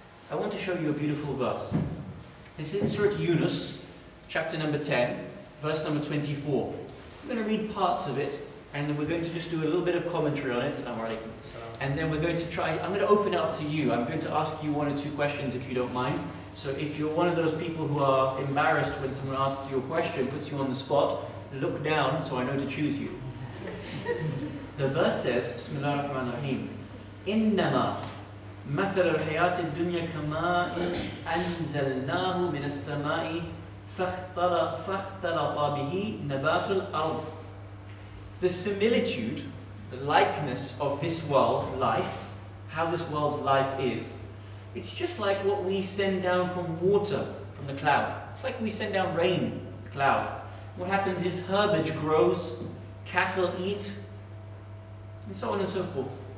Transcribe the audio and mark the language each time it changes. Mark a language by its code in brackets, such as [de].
[en] I want to show you a beautiful verse. It's in Surah Yunus, chapter number 10, verse number 24. I'm going to read parts of it, and then we're going to just do a little bit of commentary on it. Assalamu alaikum. And then we're going to try, I'm going to open up to you. I'm going to ask you one or two questions if you don't mind. So if you're one of those people who are embarrassed when someone asks you a question, puts you on the spot, look down so I know to choose you. The verse says, Bismillah ar-Rahman ar-Rahim, [ar] إِنَّمَا مثل الحياة الدنيا كما أنزلناه من السماء فاختلط به نبات الأرض. [en] The similitude, the likeness of this world life, how this world's life is, it's just like what we send down from water, from the cloud. It's like we send down rain, cloud. What happens is herbage grows, cattle eat, and so on and so forth.